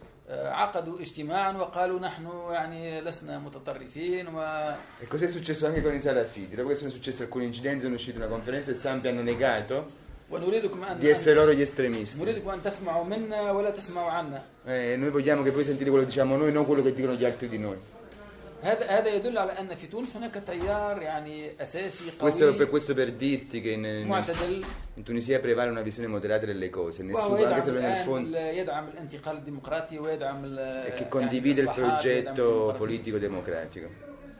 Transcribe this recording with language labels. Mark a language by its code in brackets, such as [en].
[ar] عقدوا اجتماعا وقالوا نحن يعني لسنا متطرفين و [it] E cos'è successo anche con i salafiti? Dopo che sono successi alcuni incidenti sono uscite una conferenza e stampa hanno negato di essere loro gli estremisti. [ar] نريدكم ان تسمعوا منا ولا تسمعوا عنا. [it] Noi vogliamo che voi sentite quello che diciamo noi, non quello che dicono gli altri di noi. [ar] هذا يدل على ان في تونس هناك تيار يعني اساسي قوي. [it] Questo per dirti che in Tunisia prevale una visione moderata delle cose, nessuno anche se nel fondo e che condivide il progetto politico democratico.